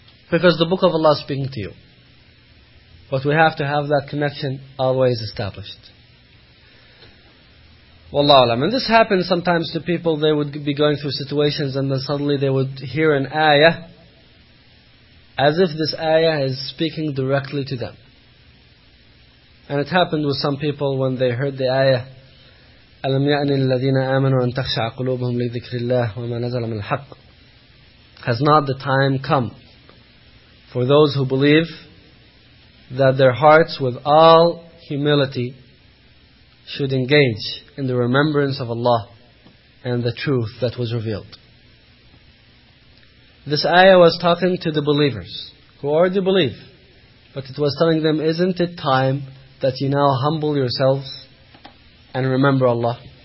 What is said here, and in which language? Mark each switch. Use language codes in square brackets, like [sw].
[en] Because the Book of Allah is speaking to you. But we have to have that connection always established. Wallahu alam. And this happens sometimes to people, they would be going through situations and then suddenly they would hear an ayah as if this ayah is speaking directly to them. And it happened with some people when they heard the ayah, [ar] أَلَمْ يَعْنِ الَّذِينَ آمَنُوا أَن تَخْشَعَ قُلُوبُهُمْ لِذِكْرِ اللَّهِ وَمَا نَزَلَ مِنَ الْحَقِّ. [en] Has not the time come for those who believe that their hearts with all humility should engage in the remembrance of Allah and the truth that was revealed. This ayah was talking to the believers who already believe, but it was telling them, isn't it time that you now humble yourselves and remember Allah?